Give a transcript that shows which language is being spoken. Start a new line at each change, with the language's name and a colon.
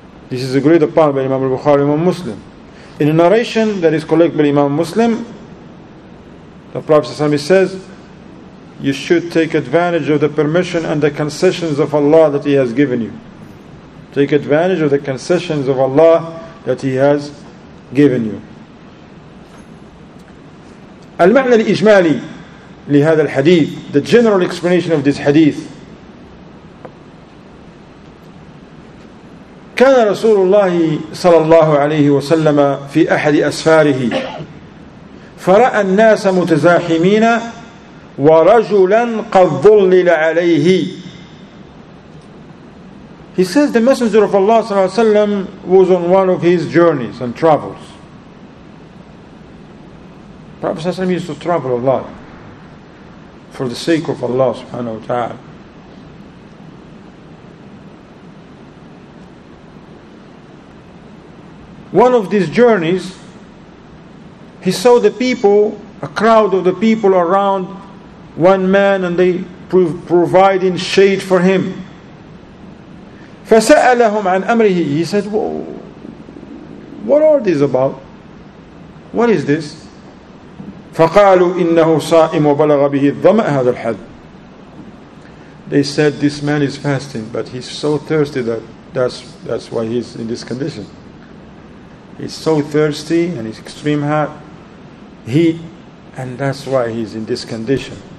English: This is agreed upon by Imam al-Bukhari, Imam Muslim. In a narration that is collected by Imam Muslim, the Prophet ﷺ says, you should take advantage of the permission and the concessions of Allah that He has given you. Take advantage of the concessions of Allah that He has given you.
Arabic: المعنى الإجمالي لهذا الحديث,
English: the general explanation of this hadith.
Arabic: كان رسول الله صلى الله عليه وسلم في أحد أسفاره فرأى الناس متزاحمين ورجلا قد ظلل عليه.
English: He says the messenger of Allah صلى الله عليه وسلم was on one of his journeys and travels. Prophet ﷺ used to travel a lot for the sake of Allah subhanahu wa ta'ala. One of these journeys, he saw the people, a crowd of the people around one man, and they providing shade for him.
Arabic: فسألهم عن أمره.
English: He said, what are these about? What is this?
Arabic: فقالوا إنه صائم وبلغ به الظمأ هذا الحد.
English: They said this man is fasting, but he's so thirsty that that's why he's in this condition. He's so thirsty and he's extreme hot heat, and that's why he's in this condition.